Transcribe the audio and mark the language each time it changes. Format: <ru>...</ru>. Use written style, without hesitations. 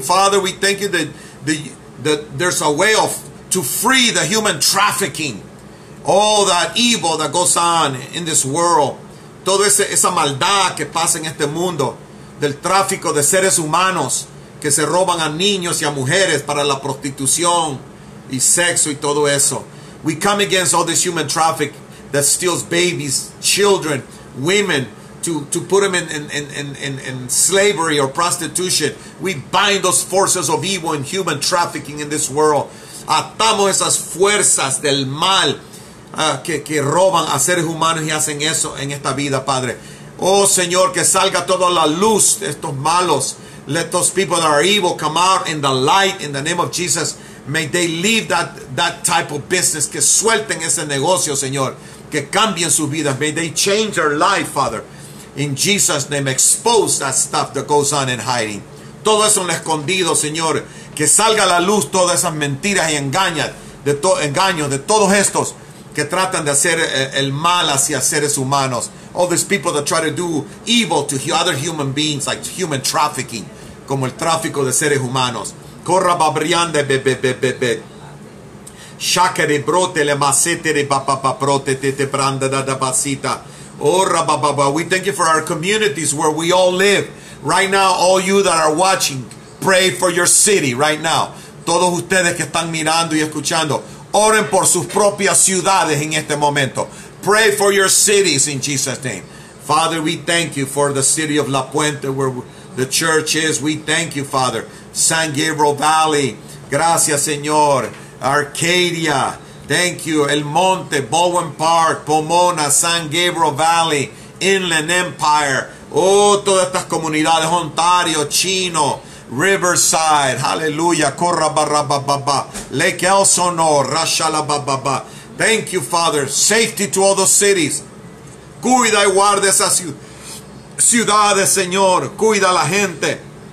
<en>Father, we thank you that there's a way of to free the human trafficking. All that evil that goes on in this world.</en> <es>Todo ese, esa maldad que pasa en este mundo. Del tráfico de seres humanos que se roban a niños y a mujeres para la prostitución y sexo y todo eso.</es> <en>We come against all this human traffic that steals babies, children, women, to put them in slavery or prostitution. We bind those forces of evil and human trafficking in this world.</en> <es>Atamos esas fuerzas del mal que roban a seres humanos y hacen eso en esta vida, Padre. Oh, Señor, que salga toda la luz de estos malos.</es> <en>Let those people that are evil come out in the light in the name of Jesus. May they leave that type of business.</en> <es>Que suelten ese negocio, Señor. Que cambien sus vidas.</es> <en>May they change their life, Father. In Jesus' name, expose that stuff that goes on in hiding.</en> <es>Todo eso en el escondido, Señor. Que salga a la luz todas esas mentiras y engaños de todos estos que tratan de hacer el mal hacia seres humanos.</es> <en>All these people that try to do evil to other human beings, like human trafficking,</en> <es>como el tráfico de seres humanos. Corra babriande bebe. Shakere brote le masete de papaprote te branda da basita. Ora bababa.</es> <en>We thank you for our communities where we all live. Right now, all you that are watching, pray for your city right now.</en> <es>Todos ustedes que están mirando y escuchando, oren por sus propias ciudades en este momento.</es> <en>Pray for your cities in Jesus' name. Father, we thank you for the city of La Puente where the church is. We thank you, Father.</en> <es>San Gabriel Valley, gracias Señor, Arcadia, thank you, El Monte, Bowen Park, Pomona, San Gabriel Valley, Inland Empire, oh, todas estas comunidades, Ontario, Chino, Riverside, hallelujah, Corra Barra Baba, Lake Elsinore, Rashala Baba,</es> <en>thank you, Father, safety to all those cities,</en> <es>cuida y guarda esas ciudades, Señor, cuida la gente.</es>